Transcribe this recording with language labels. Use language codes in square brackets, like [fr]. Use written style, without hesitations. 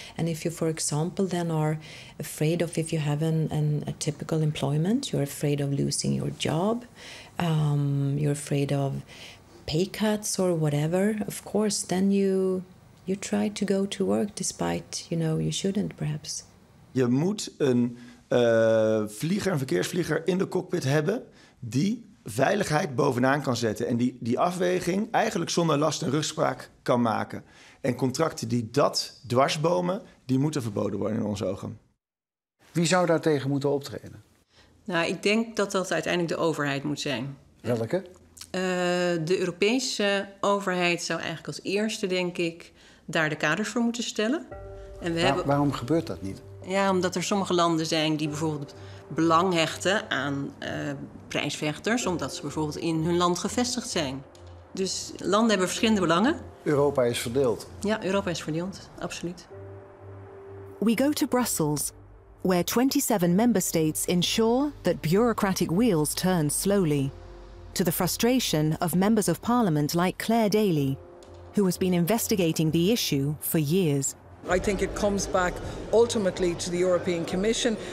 [en] And if you, for example, then are afraid of, if you have an atypical employment, you're afraid of losing your job, you're afraid of pay cuts or whatever, of course, then you try to go to work despite, you know, you shouldn't perhaps. [nl] Je moet een vlieger, een verkeersvlieger in de cockpit hebben die veiligheid bovenaan kan zetten en die afweging eigenlijk zonder last en rugspraak kan maken. En contracten die dat dwarsbomen, die moeten verboden worden in onze ogen. Wie zou daartegen moeten optreden? Nou, ik denk dat dat uiteindelijk de overheid moet zijn. Welke? De Europese overheid zou eigenlijk als eerste, denk ik, daar de kaders voor moeten stellen. En waarom gebeurt dat niet? Ja, omdat er sommige landen zijn die bijvoorbeeld belang hechten aan prijsvechters, omdat ze bijvoorbeeld in hun land gevestigd zijn. Dus landen hebben verschillende belangen. Europa is verdeeld. Ja, Europa is verdeeld, absoluut. [en] We go to Brussels, where 27 member states ensure that bureaucratic wheels turn slowly, to the frustration of members of parliament like Claire Daly, who has been investigating the issue for years. I think it comes back ultimately to the European Commission.